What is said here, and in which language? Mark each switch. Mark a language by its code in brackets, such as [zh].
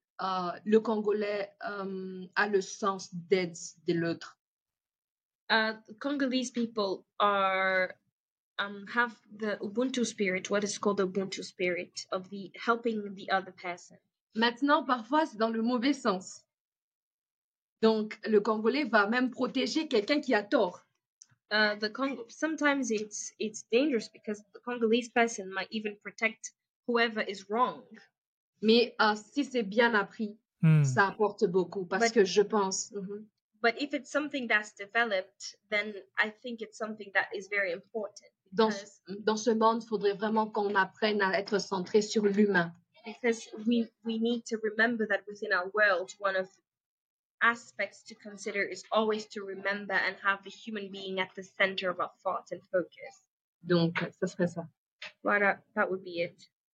[fr] Le Congolais a le sens d'aide de l'autre. [en] Congolese people have the Ubuntu spirit, what is called the Ubuntu spirit, of the helping the other person. [fr] Maintenant, parfois, c'est dans le mauvais sens. Donc, le Congolais va même protéger quelqu'un qui a tort. [en] the Congo. Sometimes it's dangerous because the Congolese person might even protect whoever is wrong. [fr] Mais si c'est bien appris, ça apporte beaucoup parce que je pense. [en] But if it's something that's developed, then I think it's something that is very important. [fr] Dans ce monde, il faudrait vraiment qu'on apprenne à être centré sur l'humain. [en] Because we need to remember that within our world, one of aspects to consider is always to remember and have the human being at the center of our thoughts and focus. [fr] Donc, ce serait ça. [en] Voilà, that would be it.